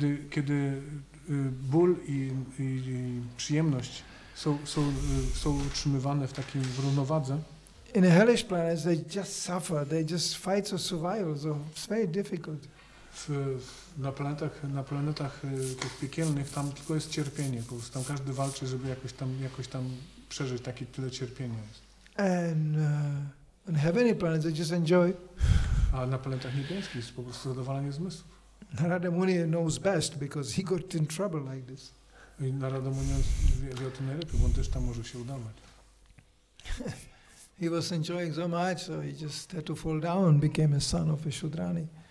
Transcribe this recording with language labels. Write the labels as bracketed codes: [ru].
[pl] Kiedy ból i przyjemność są utrzymywane w takim równowadze. [en] In a hellish planet, they just suffer. They just fight for survival. So it's very difficult. [pl] Na planetach tych piekielnych, tam tylko jest cierpienie. Po prostu tam każdy walczy, żeby jakoś tam przeżyć. Takie tyle cierpienia jest. [en] And on heavenly planets, they just enjoy. [pl] A na planetach niebieskich jest po prostu zadowalenie zmysłów. [en] Narada Muni knows best because he got in trouble like this. [pl] I Narada Muni wie o tym najlepiej, bo on też tam może się udawać. [en] He was enjoying so much, so he just had to fall down, became a son of a Shudrani.